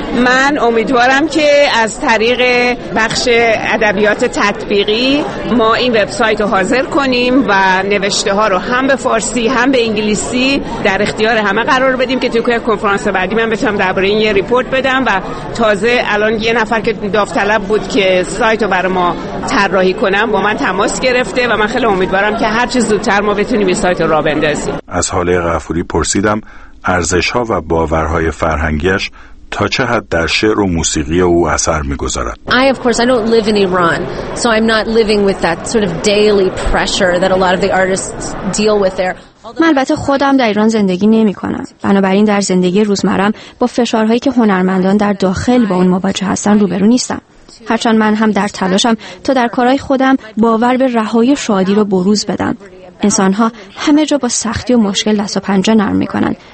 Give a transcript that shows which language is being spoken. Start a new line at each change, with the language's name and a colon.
Persian: من امیدوارم که از طریق بخش ادبیات تطبیقی ما این وبسایت رو حاضر کنیم و نوشته ها رو هم به فارسی هم به انگلیسی در اختیار همه قرار بدیم که توی کنفرانس بعدی من بتونم درباره این یه ریپورت بدم. و تازه الان یه نفر که داوطلب بود که سایت رو برای ما طراحی کنم با من تماس گرفته و من خیلی امیدوارم که هر چه زودتر ما بتونیم این سایت رو راه بندازیم. از لاله غفوری پرسیدم ارزش ها و باورهای فرهنگیش تا چه حد در شعر و موسیقی او اثر می‌گذارد.
English: I of course I don't live in Iran so I'm not living with that sort of daily pressure that a lot of the artists deal with there.
Persian: من البته خودم در ایران زندگی نمی‌کنم. بنابراین در زندگی روزمره‌ام با فشارهایی که هنرمندان در داخل با اون مواجه هستن روبرو نیستم. هرچند من هم در تلاشم تا در کارهای خودم باور به رهایی و شادی رو بروز بدم. انسان‌ها همه جا با سختی و مشکل دست و پنجه نرم می‌کنند.